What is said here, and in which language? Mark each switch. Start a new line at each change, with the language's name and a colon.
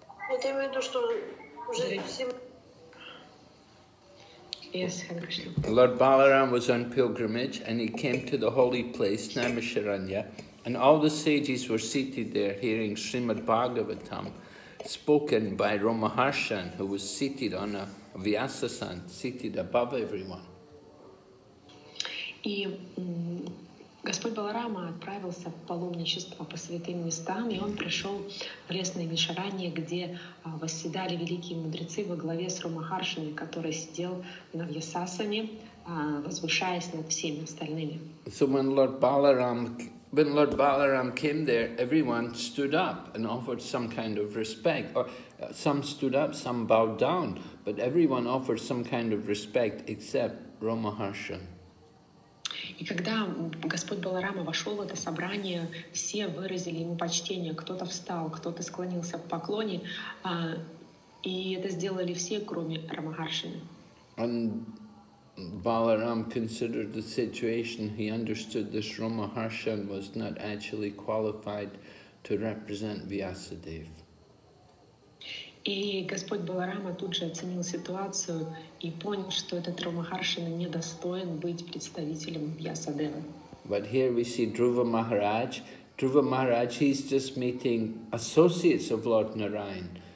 Russian: Нет, я имею в виду, что уже всем...
English: Yes, Lord Balaram was on pilgrimage and he came to the holy place, Naimisharanya, and all the sages were seated there hearing Srimad Bhagavatam spoken by Ramaharshan, who was seated on a Vyasasan, seated above everyone.
Russian: И Господь Баларама отправился в паломничество по святым местам, и он пришел в лес Наймишаранья, где восседали великие мудрецы во главе с Рамахаршами, который сидел на Вьясасане, возвышаясь над всеми остальными.
English: So when Lord Balaram came there, everyone stood up and offered some kind of respect. Or some stood up, some bowed down, but everyone offered some kind of respect except Ramaharshan.
Russian: И когда Господь Баларама вошел в это собрание, все выразили ему почтение. Кто-то встал, кто-то склонился в поклоне, и это сделали все, кроме Рамахаршины.
English: And Balaram considered the situation. He understood this Рамахаршан was not actually qualified to represent Vyasadev.
Russian: И Господь Баларама тут же оценил ситуацию и понял, что этот Рамахаршина не достоин быть представителем Вьясадевы.
English: But here we see Dhruva Maharaj. Dhruva Maharaj, he's just meeting associates of Lord Narayan.